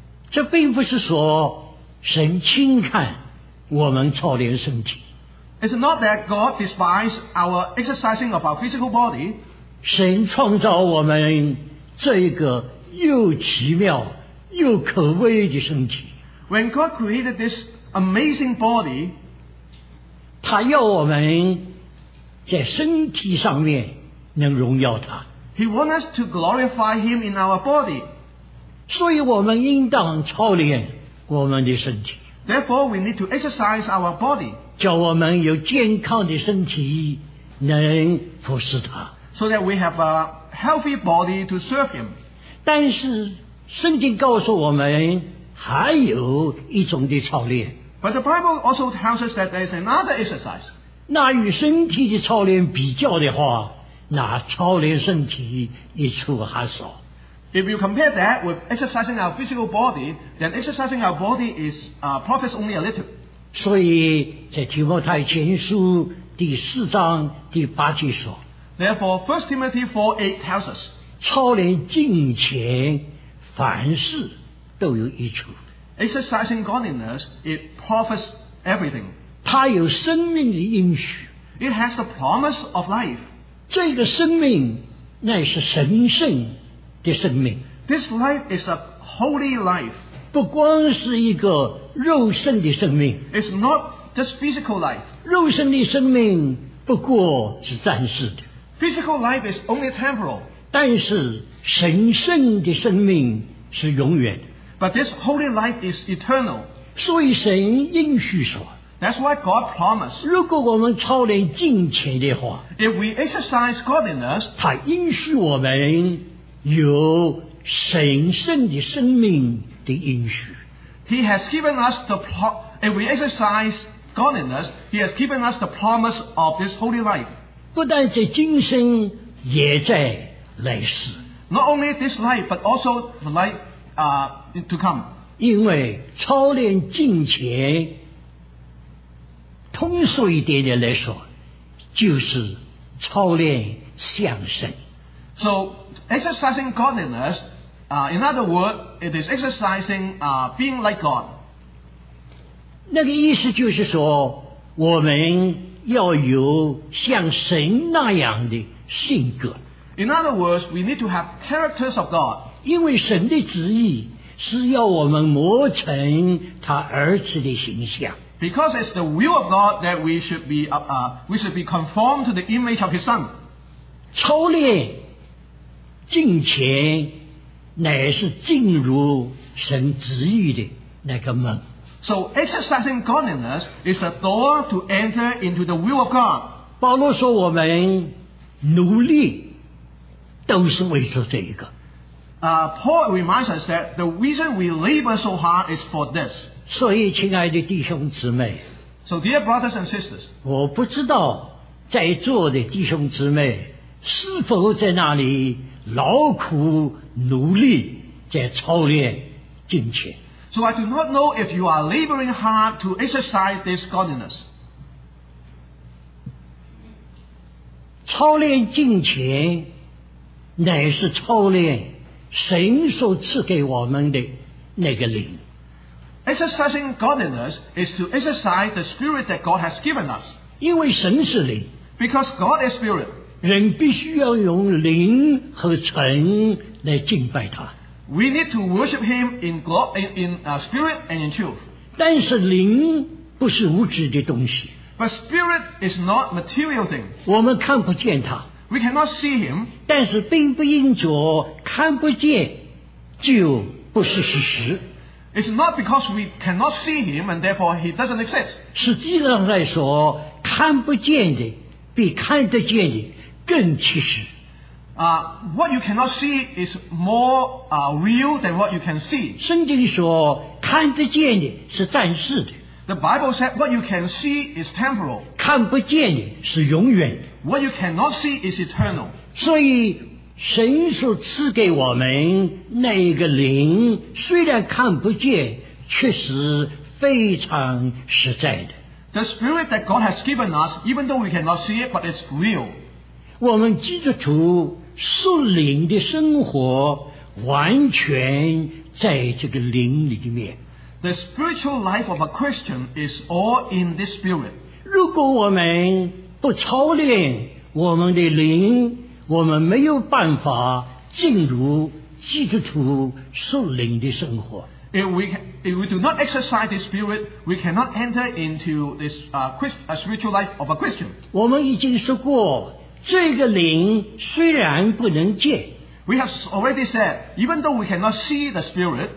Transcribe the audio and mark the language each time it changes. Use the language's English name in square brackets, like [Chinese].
[Chinese] 这并不是说神轻看我们操练身体。 [English] It's not that God despises our exercising of our physical body. [Chinese] 神创造我们这一个又奇妙又可畏的身体。 [English] When God created this amazing body, [Chinese] 他要我们在身体上面能荣耀他。 [English] He wants us to glorify him in our body. [Chinese] 所以我们应当操练我们的身体。 [English] Therefore, we need to exercise our body. [Chinese] 叫我们有健康的身体，能服侍他。 [English] So that we have a healthy body to serve him. [Chinese] 但是圣经告诉我们还有一种的操练。 [English] But the Bible also tells us that there is another exercise. [Chinese] 那与身体的操练比较的话，那操练身体一处还少。 [English] If you compare that with exercising our physical body, then exercising our body is profits only a little. [Chinese] 所以在提摩太前书第四章第八节说。 [English] Therefore, 1 Timothy 4:8 tells us, [Chinese] 操练敬虔凡事都有益处。 [English] Exercising godliness, it profits everything. [Chinese] 它有生命的应许。 [English] It has the promise of life. [Chinese] 这个生命乃是神圣。 [English] This life is a holy life. [Chinese] 不光是一个肉身的生命。 [English] It's not just physical life. [Chinese] 肉身的生命不过是暂时的。 [English] Physical life is only temporal. [Chinese] 但是神圣的生命是永远的。 [English] But this holy life is eternal. [Chinese] 所以神应许说。 [English] That's why God promised. [Chinese] 如果我们操练敬虔的话。 [English] If we exercise godliness, [Chinese] 他应许我们有神圣的生命的应许。 [English] He has given us the if we exercise godliness, He has given us the promise of this holy life. [Chinese] 不但在今生，也在来世。 [English] Not only this life, but also the life to come. [Chinese] 因为操练敬虔，通俗一点点来说，就是操练向神。 [English] So exercising godliness, in other words, it is exercising being like God. [Chinese] 那个意思就是说，我们要有像神那样的性格。 [English] In other words, we need to have characters of God. [Chinese] 因为神的旨意是要我们磨成他儿子的形象。 [English] Because it's the will of God that we should be conformed to the image of His Son. [Chinese] 操练敬虔乃是进入神旨意的那个门。 [English] So exercising godliness is a door to enter into the will of God. [Chinese] 保罗说我们努力都是为了这一个。 [English] Paul reminds us that the reason we labor so hard is for this. [Chinese] 所以亲爱的弟兄姊妹。 [English] So dear brothers and sisters. [Chinese] 我不知道在座的弟兄姊妹是否在那里劳苦努力在操练敬虔。 [English] So I do not know if you are laboring hard to exercise this godliness. [Chinese] 操练敬虔乃是操练神所赐给我们的那个灵。 [English] Exercising godliness is to exercise the spirit that God has given us. [Chinese] 因为神是灵。 [English] Because God is spirit. [Chinese] 人必须要用灵和诚来敬拜他。 [English] We need to worship him in God, in spirit and in truth. [Chinese] 但是灵不是物质的东西。 [English] But spirit is not material thing. [Chinese] 我们看不见他。 [English] We cannot see him. [Chinese] 但是并不因着看不见就不是事实。 [English] It's not because we cannot see him and therefore he doesn't exist. [Chinese] 实际上来说，看不见的比看得见的更其实。 [English] What you cannot see is more real than what you can see. [Chinese] 圣经说看得见的是暂时的。 [English] The Bible said what you can see is temporal. [Chinese] 看不见的是永远的。 [English] What you cannot see is eternal. [Chinese] 所以神所赐给我们那一个灵虽然看不见确实非常实在的。 [English] The spirit that God has given us, even though we cannot see it, but it's real. [Chinese] 我们基督徒属灵的生活完全在这个灵里面。 [English] The spiritual life of a Christian is all in this spirit. [Chinese] 如果我们不操练我们的灵，我们没有办法进入基督徒属灵的生活。 [English] If we do not exercise the spirit, we cannot enter into this spiritual life of a Christian. [Chinese] 我们已经说过，这个灵虽然不能见。 [English] We have already said, even though we cannot see the spirit,